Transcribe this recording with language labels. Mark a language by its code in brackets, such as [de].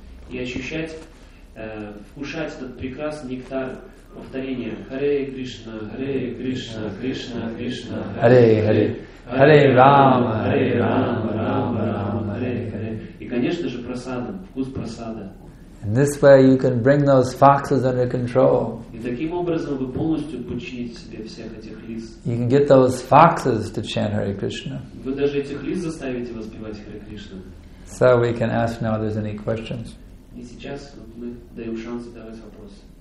[ru] И ощущать, вкушать этот прекрасный нектар повторения Hare Krishna, Hare Krishna, Krishna Krishna, [sa] Hare Hare. Hare Ram, Hare Ram, Ram Ram, Hare Hare. [ru] И, конечно же, прасадом, вкус прасада. [en] In this way you can bring those foxes under control. [ru] И таким образом вы полностью подчините себе всех этих лис. [en] You can get those foxes to chant Hare Krishna. [ru] Вы даже этих лис заставите воспевать Hare Krishna. [en] So we can ask now if there's any questions. [ru] И сейчас мы даем шанс задавать вопросы.